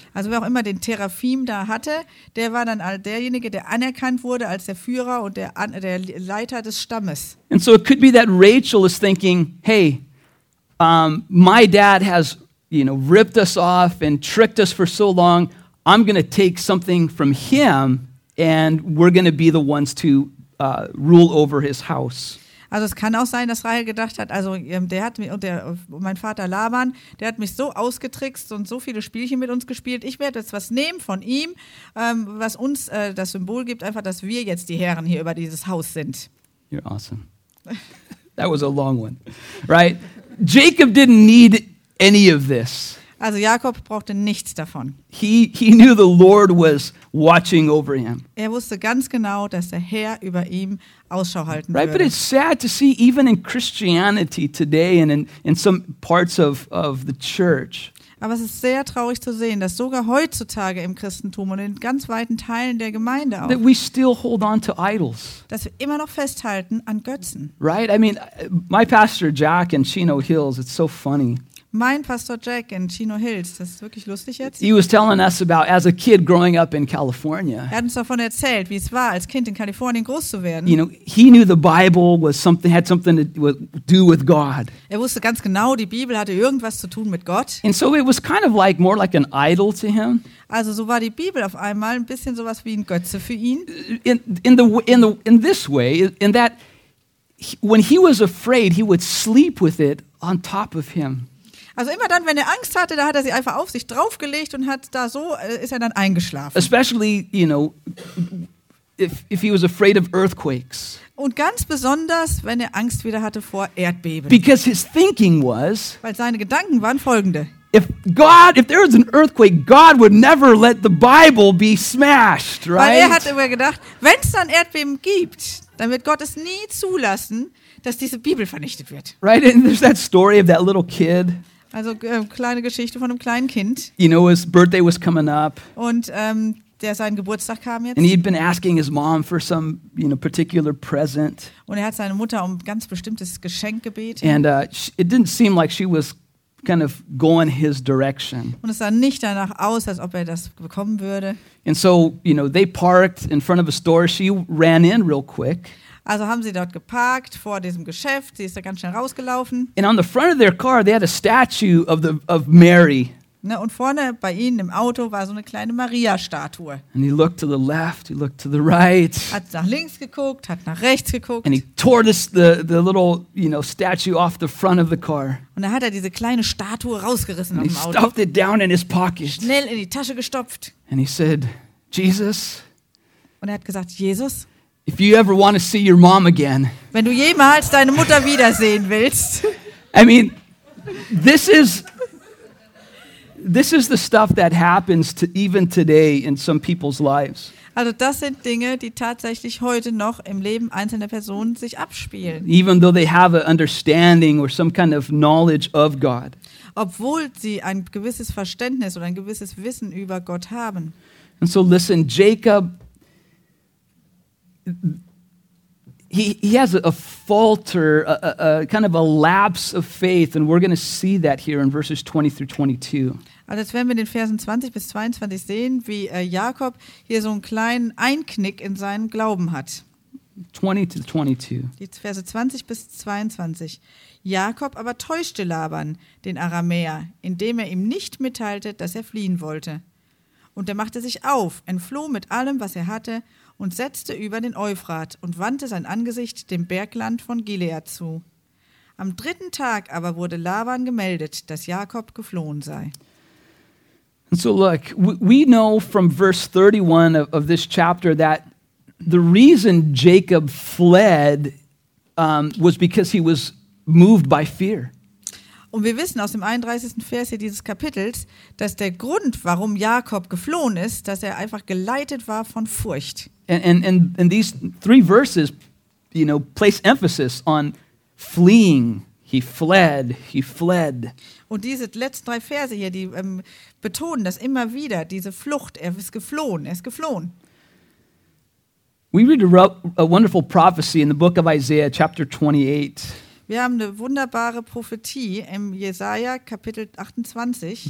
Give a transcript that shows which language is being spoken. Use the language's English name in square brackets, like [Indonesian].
[German] Also wer auch immer den Teraphim da hatte, der war dann derjenige, der anerkannt wurde als der Führer und der Leiter des Stammes. [English] And so it could be that Rachel is thinking, hey, my dad has, you know, ripped us off and tricked us for so long. I'm going to take something from him and we're going to be the ones to rule over his house. [German] Also es kann auch sein, dass Rahel gedacht hat, also mein Vater Laban, der hat mich so ausgetrickst und so viele Spielchen mit uns gespielt. Ich werde jetzt was nehmen von ihm, was uns das Symbol gibt, einfach, dass wir jetzt die Herren hier über dieses Haus sind. [English] You're awesome. That was a long one, right? Jacob didn't need any of this. [German] Also Jakob brauchte nichts davon. [English] He knew the Lord was watching over him. [German] Er wusste ganz genau, dass der Herr über ihm Ausschau halten [English] right, [German] würde. [English] But it's sad to see even in Christianity today and in some parts of the church. [German] Aber es ist sehr traurig zu sehen, dass sogar heutzutage im Christentum und in ganz weiten Teilen der Gemeinde auch, [English] that we still hold on to idols. [German] Dass wir immer noch festhalten an Götzen. [English] Right? I mean, my pastor Jack in Chino Hills, it's so funny. [German] Mein Pastor Jack in Chino Hills, das ist wirklich lustig jetzt. [English] He was telling us about as a kid growing up in California. [German] Er hat uns davon erzählt, wie es war, als Kind in Kalifornien groß zu werden. [English] You know, he knew the Bible was something, had something to do with God. [German] Er wusste ganz genau, die Bibel hatte irgendwas zu tun mit Gott. [English] And so it was kind of like more like an idol to him. [German] Also so war die Bibel auf einmal ein bisschen sowas wie ein Götze für ihn. [English] In this way, in that when he was afraid, he would sleep with it on top of him. [German] Also immer dann, wenn er Angst hatte, da hat er sie einfach auf sich draufgelegt und hat da so, ist er dann eingeschlafen. [English] Especially, you know, if he was afraid of earthquakes. [German] Und ganz besonders, wenn er Angst wieder hatte vor Erdbeben. [English] Because his thinking was, [German] weil seine Gedanken waren folgende. [English] If there was an earthquake, God would never let the Bible be smashed, right? [German] Weil er hat immer gedacht, wenn es dann Erdbeben gibt, dann wird Gott es nie zulassen, dass diese Bibel vernichtet wird. [English] Right, and there's that story of that little kid. [German] Also kleine Geschichte von einem kleinen Kind. [English] You know, his birthday was coming up. [German] Und der seinen Geburtstag kam jetzt. [English] And he'd been asking his mom for some, you know, particular present. [German] Und er hat seine Mutter um ein ganz bestimmtes Geschenk gebeten. [English] And it didn't seem like she was kind of going his direction. [German] Und es sah nicht danach aus, als ob er das bekommen würde. [English] And so, you know, they parked in front of a store. She ran in real quick. [German] Also haben sie dort geparkt vor diesem Geschäft. Sie ist da ganz schnell rausgelaufen. [English] And on the front of their car, they had a statue of Mary. [German] Na, und vorne bei ihnen im Auto war so eine kleine Maria-Statue. [English] And he looked to the left, he looked to the right. [German] Hat nach links geguckt, hat nach rechts geguckt. [English] And he tore the little, you know, statue off the front of the car. [German] Und da hat er diese kleine Statue rausgerissen aus dem Auto. [English] And he stuffed it down in his pocket. [German] Schnell in die Tasche gestopft. [English] And he said, Jesus. [German] Und er hat gesagt, Jesus. [English] If you ever want to see your mom again. [German] Wenn du jemals deine Mutter wiedersehen willst. [English] I mean, this is the stuff that happens to even today in some people's lives. [German] Also das sind Dinge, die tatsächlich heute noch im Leben einzelner Personen sich abspielen. [English] Even though they have an understanding or some kind of knowledge of God. [German] Obwohl sie ein gewisses Verständnis oder ein gewisses Wissen über Gott haben. [English] And so listen, Jacob, he has a falter, a kind of a lapse of faith, and we're going to see that here in verses 20 through 22. [German] Also jetzt werden wir in den Versen 20 bis 22 sehen, wie Jakob hier so einen kleinen Einknick in seinem Glauben hat. [English] 20 to 22. [German] Die Verse 20 bis 22. Jakob aber täuschte Laban, den Aramäer, indem er ihm nicht mitteilte, dass er fliehen wollte. Und er machte sich auf, entfloh mit allem, was er hatte, und setzte über den Euphrat und wandte sein Angesicht dem Bergland von Gilead zu. Am dritten Tag aber wurde Laban gemeldet, dass Jakob geflohen sei. [English] And so look, we know from verse 31 of this chapter that the reason Jacob fled was because he was moved by fear. [German] Und wir wissen aus dem 31. Vers hier dieses Kapitels, dass der Grund, warum Jakob geflohen ist, dass er einfach geleitet war von Furcht. [English] And these three verses, you know, place emphasis on fleeing. He fled. [German] Und diese letzten drei Verse hier, die betonen das immer wieder, diese Flucht, er ist geflohen. [English] We read a wonderful prophecy in the book of Isaiah, chapter 28. [German] Wir haben eine wunderbare Prophetie im Jesaja, Kapitel 28.